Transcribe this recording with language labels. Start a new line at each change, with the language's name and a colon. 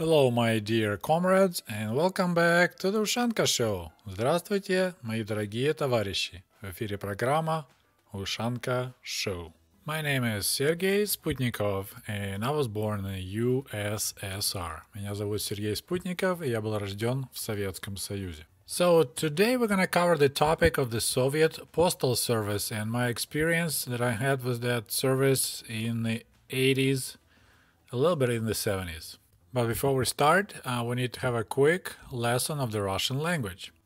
English: my dear comrades, and welcome back to the Ushanka Show.
Russian: Здравствуйте, мои дорогие товарищи. В эфире программа
English: Ushanka Show. My name is Сергей Спутников, and I was born in the USSR.
Russian: Меня зовут Сергей Спутников, и я был рожден в Советском Союзе.
English: So today we're going to cover the topic of the Soviet Postal Service and my experience that I had with that service in the 80s, a little bit in the 70s. But before we start, we need to have a quick lesson of the Russian language.